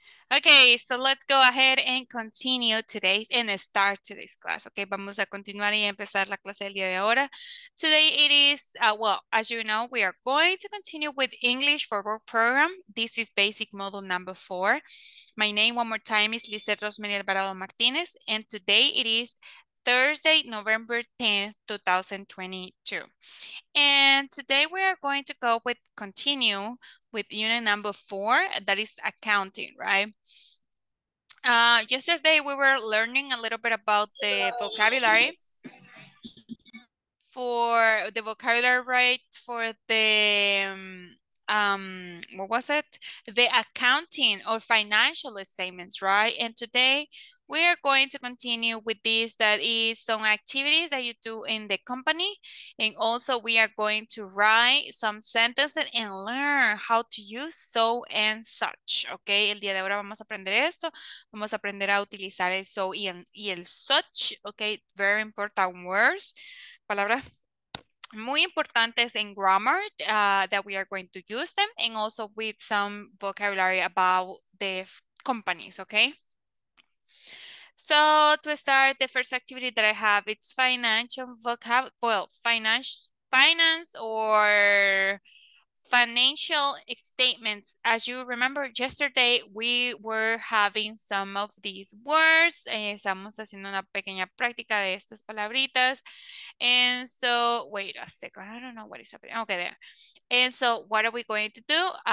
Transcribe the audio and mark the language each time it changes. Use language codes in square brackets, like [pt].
[en] Okay, so let's go ahead and continue today and start today's class. [es] Okay, vamos a continuar y empezar la clase del día de ahora. [en] Today it is, well, as you know, we are going to continue with English for Work Program. This is basic module number 4. My name, one more time, is Lizeth Rosemary Alvarado Martinez, and today it is Thursday, November 10th, 2022. And today we are going to go with continue with unit number 4, that is accounting, right? Yesterday we were learning a little bit about the vocabulary for the vocabulary, right? For the what was it? The accounting or financial statements, right? And today we are going to continue with this, that is some activities that you do in the company. And also we are going to write some sentences and learn how to use so and such. [es] Okay, el día de ahora vamos a aprender esto. Vamos a aprender a utilizar el so y el such. [en] Okay, very important words. Palabra. [es] Muy importantes en [en] grammar that we are going to use them and also with some vocabulary about the companies, okay? So to start, the first activity that I have, it's financial vocab, well, finance or financial statements. As you remember, yesterday we were having some of these words. [es] Estamos haciendo una pequeña práctica de estas palabritas. [en] And so, wait a second. I don't know what is happening. Okay, there. And so, what are we going to do?